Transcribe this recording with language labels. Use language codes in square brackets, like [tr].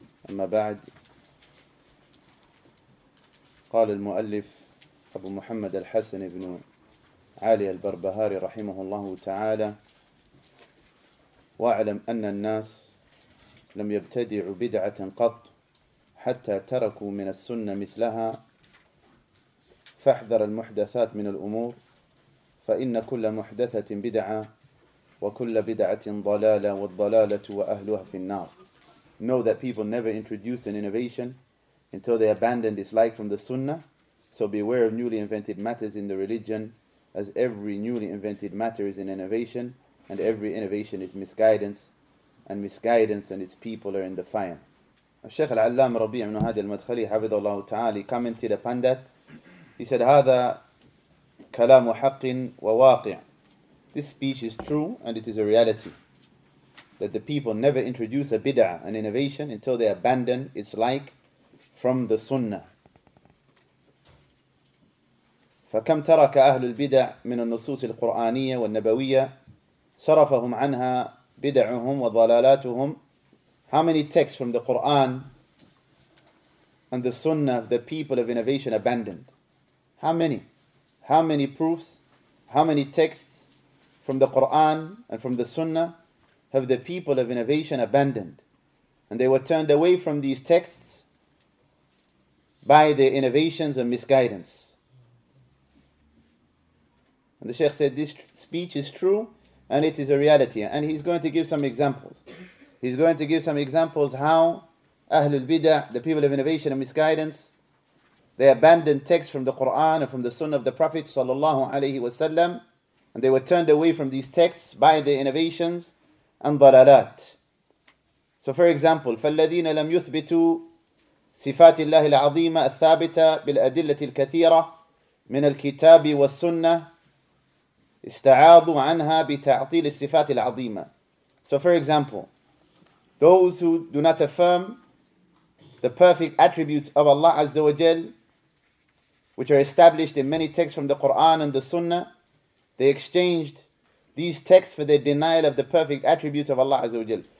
[ar] اما بعد، قال المؤلف ابو محمد الحسن بن علي البربهاري رحمه الله تعالى: واعلم أن الناس لم يبتدعوا بدعة قط حتى تركوا من السنة مثلها، فاحذر المحدثات من الأمور، فإن كل محدثة بدعة وكل بدعة ضلالة والضلالة وأهلها في النار. [en] Know that people never introduced an innovation until they abandoned dislike from the Sunnah. So beware of newly invented matters in the religion, as every newly invented matter is an innovation. And every innovation is misguidance, and misguidance and its people are in the fire. Sheikh Al-Allama Rabi' ibn Hadi Al-Madkhali, Hafidhahullah Ta'ala, commented upon that. He said, [ar] "Hada kalamu haqqin wa waqi'." [en] This speech is true and it is a reality. That the people never introduce a bid'ah, an innovation, until they abandon its like from the sunnah. [ar] فَكَمْ تَرَكَ أَهْلُ الْبِدَعِ مِنَ النُّصُوصِ الْقُرْآنِيَّةِ وَالنَّبَوِيَّةِ صرفهم عنها بدعهم وضلالاتهم. [en] How many texts from the Quran and the Sunnah the people of innovation abandoned? How many? How many proofs? How many texts from the Quran and from the Sunnah have the people of innovation abandoned? And they were turned away from these texts by their innovations and misguidance. And the Sheikh said, this speech is true. And it is a reality. And he's going to give some examples. He's going to give some examples how Ahlul Bidah, the people of innovation and misguidance, they abandoned texts from the Quran and from the Sunnah of the Prophet sallallahu alaihi wasallam, and they were turned away from these texts by their innovations and dalalat. So for example, [ar] فَالَّذِينَ لَمْ يُثْبِتُوا صِفَاتِ اللَّهِ الْعَظِيمَةِ الثَّابِتَةِ بِالْأَدِلَّةِ الْكَثِيرَةِ مِنَ الْكِتَابِ وَالسُّنَّةِ استعاضوا عنها بتعطيل الصفات العظيمة. [en] So for example, those who do not affirm the perfect attributes of Allah Azza wa Jal, which are established in many texts from the Quran and the Sunnah, they exchanged these texts for their denial of the perfect attributes of Allah Azza wa Jal.